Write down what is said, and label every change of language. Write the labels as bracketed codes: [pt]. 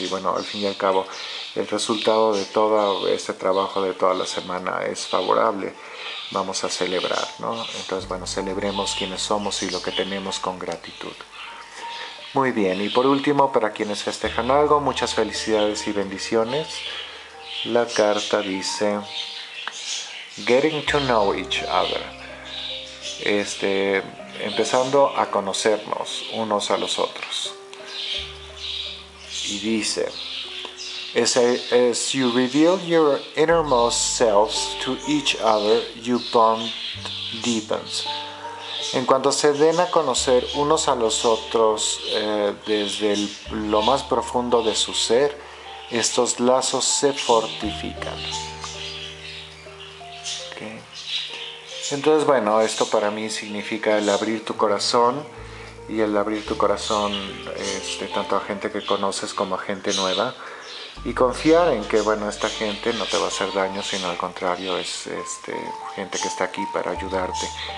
[es] Y bueno, al fin y al cabo, el resultado de todo este trabajo de toda la semana es favorable. Vamos a celebrar, ¿no? Entonces, bueno, celebremos quienes somos y lo que tenemos con gratitud. Muy bien, y por último, para quienes festejan algo, muchas felicidades y bendiciones. La carta dice: [en] getting to know each other. [es] empezando a conocernos unos a los otros. Y dice, [en] as you reveal your innermost selves to each other, you bond deepens. [es] En cuanto se den a conocer unos a los otros desde lo más profundo de su ser, estos lazos se fortifican. Okay. Entonces, bueno, esto para mí significa el abrir tu corazón y el abrir tu corazón tanto a gente que conoces como a gente nueva y confiar en que, bueno, esta gente no te va a hacer daño, sino al contrario, es gente que está aquí para ayudarte.